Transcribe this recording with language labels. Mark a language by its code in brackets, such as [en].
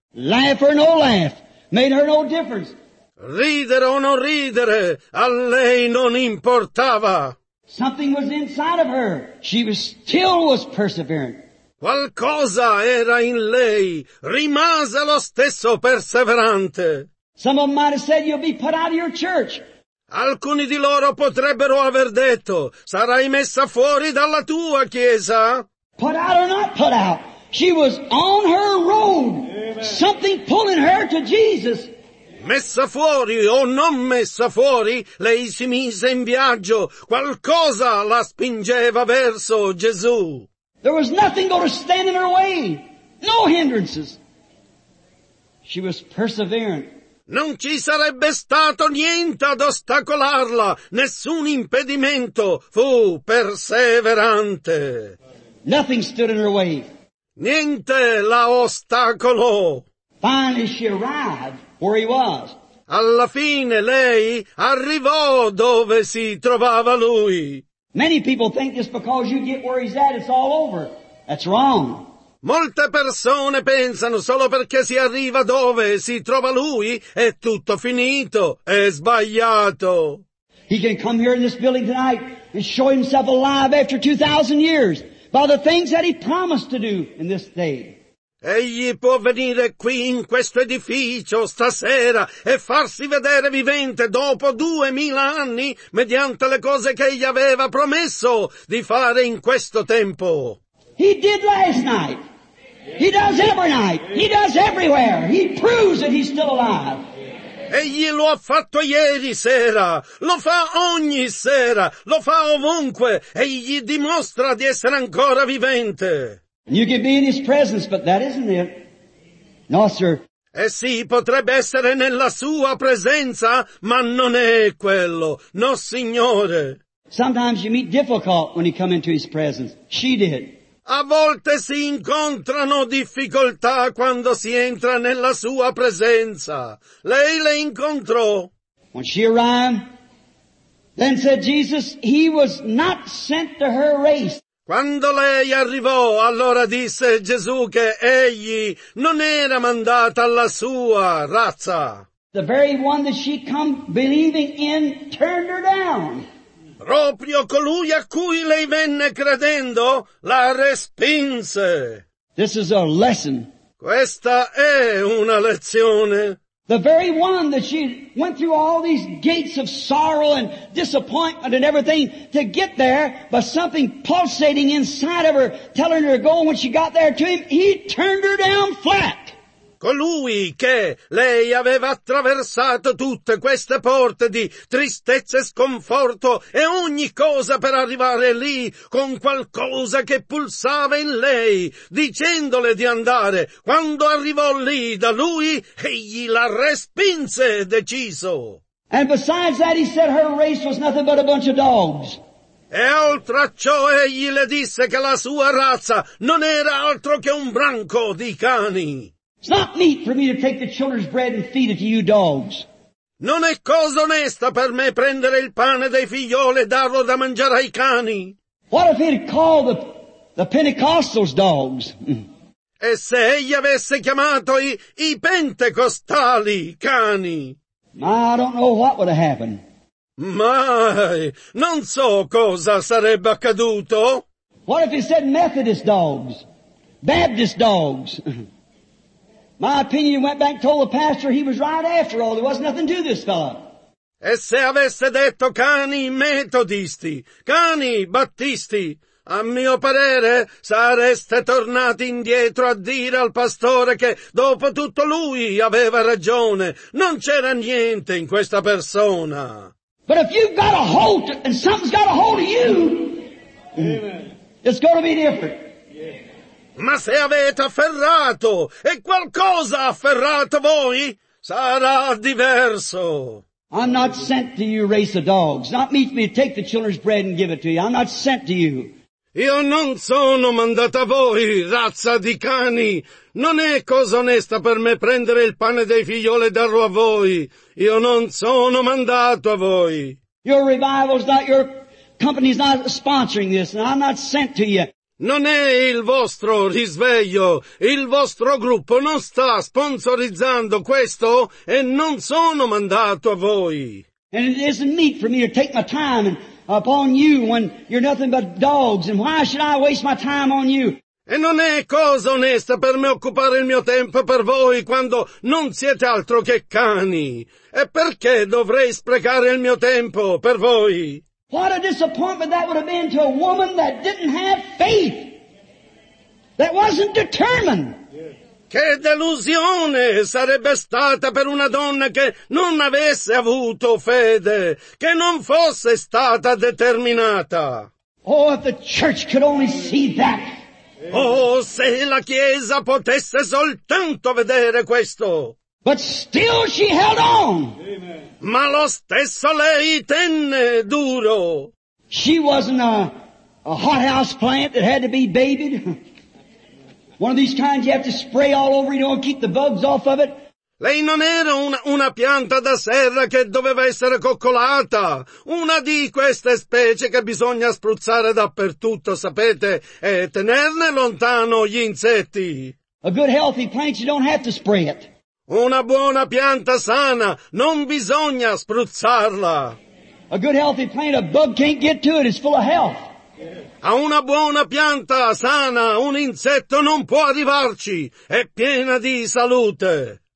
[en] Laugh or no laugh, made her no difference. [it] Ridere o non ridere, a lei non importava. [en] Something was inside of her. She was still was perseverant. [it] Qualcosa era in lei. Rimase lo stesso perseverante. [en] Some of them might have said, you'll be put out of your church. [it] Alcuni di loro potrebbero aver detto, sarai messa fuori dalla tua chiesa. [en] Put out or not put out. She was on her road. Amen. Something pulling her to Jesus. [it] Messa fuori o non messa fuori, lei si mise in viaggio. Qualcosa la spingeva verso Gesù. [en] There was nothing going to stand in her way. No hindrances. She was perseverant. [it] Non ci sarebbe stato niente ad ostacolarla, nessun impedimento, fu perseverante. [en] Nothing stood in her way. [it] Niente la ostacolò. [en] Finally she arrived where he was. [it] Alla fine lei arrivò dove si trovava lui. [en] Many people think just because you get where he's at, it's all over. That's wrong. [it] Molte persone pensano solo perché si arriva dove si trova lui è tutto finito. È sbagliato. [en] He can come here in this building tonight and show himself alive after 2,000 years by the things that he promised to do in this day. [it] Egli può venire qui in questo edificio stasera e farsi vedere vivente dopo 2,000 anni mediante le cose che egli aveva promesso di fare in questo tempo. [en] He did last night. He does every night. He does everywhere. He proves that he's still alive. [it] Egli lo ha fatto ieri sera. Lo fa ogni sera. Lo fa ovunque. Egli dimostra di essere ancora vivente. [en] You can be in his presence, but that isn't it. No, sir. [it] Eh sì, potrebbe essere nella sua presenza, ma non è quello. No, signore. [en] Sometimes you meet difficult when you come into his presence. She did. [it] A volte si incontrano difficoltà quando si entra nella sua presenza. Lei le incontrò. [en] When she arrived, then said Jesus, he was not sent to her race. [it] Quando lei arrivò, allora disse Gesù che egli non era mandata alla sua razza. [en] The very one that she come believing in turned her down. [it] Proprio colui a cui lei venne credendo la respinse. [en] This is a lesson. [it] Questa è una lezione. [en] The very one that she went through all these gates of sorrow and disappointment and everything to get there, but something pulsating inside of her, telling her to go, and when she got there to him, he turned her down flat. [it] Colui che lei aveva attraversato tutte queste porte di tristezza e sconforto e ogni cosa per arrivare lì con qualcosa che pulsava in lei, dicendole di andare. Quando arrivò lì da lui, egli la respinse deciso. [en] And besides that, he said her race was nothing but a bunch of dogs. [it] E oltre a ciò, egli le disse che la sua razza non era altro che un branco di cani. [en] It's not meat for me to take the children's bread and feed it to you dogs. [it] Non è cosa onesta per me prendere il pane dei figlioli e darlo da mangiare ai cani. [en] What if he'd called the Pentecostals dogs? [it] E se egli avesse chiamato i pentecostali cani? [en] Ma, I don't know what would have happened. [it] Mai, non so cosa sarebbe accaduto. [en] What if he said Methodist dogs? Baptist dogs? My opinion went back and told the pastor he was right after all. There was nothing to this fellow. [it] E se avesse detto cani metodisti, cani battisti, a mio parere sareste tornati indietro a dire al pastore che dopo tutto lui aveva ragione. Non c'era niente in questa persona. [en] But if you've got a hold and something's got a hold of you, amen, it's going to be different. [it] Ma se avete afferrato e qualcosa ha afferrato voi, sarà diverso. [en] I'm not sent to you race the dogs. Not meet me to take the children's bread and give it to you. I'm not sent to you. [it] Io non sono mandato a voi, razza di cani. Non è cosa onesta per me prendere il pane dei figlioli e darlo a voi. Io non sono mandato a voi. [en] Your revival's not, your company's not sponsoring this, and I'm not sent to you. [it] Non è il vostro risveglio, il vostro gruppo non sta sponsorizzando questo e non sono mandato a voi. [en] And it isn't meet for me to take my time upon you when you're nothing but dogs, and why should I waste my time on you? [it] E non è cosa onesta per me occupare il mio tempo per voi quando non siete altro che cani. E perché dovrei sprecare il mio tempo per voi? [en] What a disappointment that would have been to a woman that didn't have faith, that wasn't determined. [it] Che delusione sarebbe stata per una donna che non avesse avuto fede, che non fosse stata determinata. [en] Oh, if the church could only see that. [it] Oh, se la Chiesa potesse soltanto vedere questo. [en] But still she held on. [it] Ma lo stesso lei tenne duro. [en] She wasn't a hothouse plant that had to be babied. One of these kinds you have to spray all over, you know, and keep the bugs off of it. [it] Lei non era una pianta da serra che doveva essere coccolata. Una di queste specie che bisogna spruzzare dappertutto, sapete, e tenerne lontano gli insetti. [en] A good healthy plant, you don't have to spray it. [it] Una buona pianta sana, non bisogna spruzzarla. [en] A good healthy plant, a bug can't get to it, it's full of health. [it] A una buona pianta sana, un insetto non può arrivarci, è piena di salute.